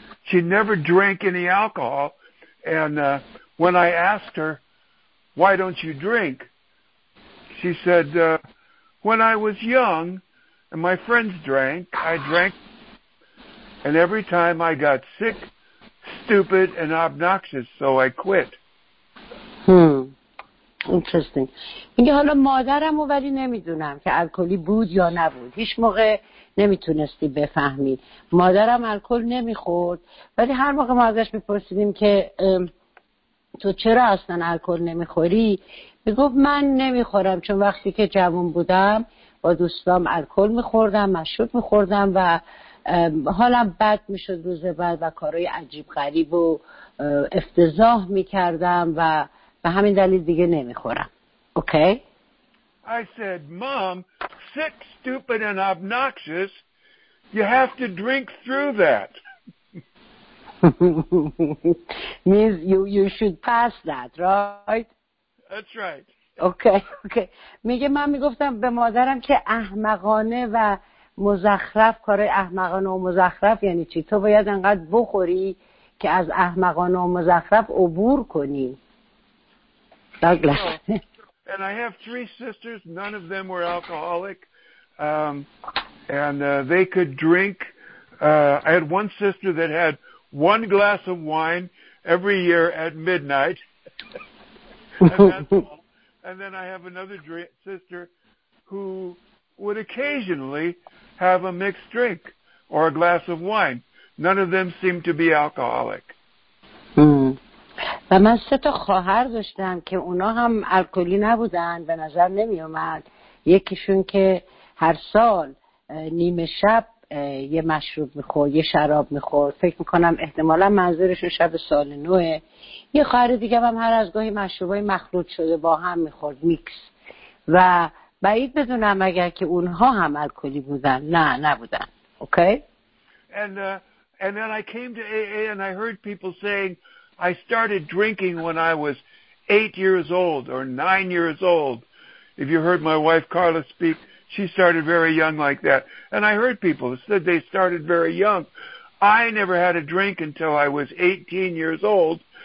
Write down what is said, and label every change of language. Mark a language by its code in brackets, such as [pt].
[en] She never drank any alcohol. And when I asked her, why don't you drink? She said, when I was young and my friends drank, I drank. And every time I got sick, stupid, and obnoxious, so I quit. Interesting. [fa] میگه حالا مادرمو ولی نمیدونم که الکلی بود یا نبود. هیچ موقع نمیتونستی بفهمی. مادرم الکل نمیخورد ولی هر موقع ما ازش میپرسیدیم که تو چرا اصلا الکل نمیخوری؟ میگفت من نمیخورم چون وقتی که جوان بودم با دوستام الکل میخوردم، مشروب میخوردم و حالم بد میشد روز بعد و کارهای عجیب غریب و افتضاح میکردم و به همین دلیل دیگه نمیخورم. اوکی؟ [en] I said, Mom, sick, stupid, and obnoxious, you have to drink through that. Means you should pass that, right? That's right. Okay. [fa] میگه من میگفتم به مادرم که احمقانه و مزخرف، کارای احمقانه و مزخرف یعنی چی؟ تو باید انقدر بخوری که از احمقانه و مزخرف عبور کنی. [en] And I have three sisters. None of them were alcoholic. And they could drink. I had one sister that had one glass of wine every year at midnight. And then I have another sister who would occasionally have a mixed drink or a glass of wine. None of them seemed to be alcoholic. [fa] و من سه تا خواهر داشتم که اونا هم الکلی نبودن، به نظر نمی اومد. یکیشون که هر سال نیمه شب یه مشروب میخورد، یه شراب میخورد، فکر میکنم احتمالا منظورشون شب سال نوه. یه خواهر دیگه هم هر از گاهی مشروبای مخلوط شده با هم میخورد، میکس. و بعید بدونم اگر که اونها هم الکلی بودن، نه نبودن. اوکی؟ [en] And then I came to AA and I heard people saying I started drinking when I was 8 years old or 9 years old. If you heard my wife Carla speak, she started very young like that. And I heard people said they started very young. I never had a drink until I was 18 years old.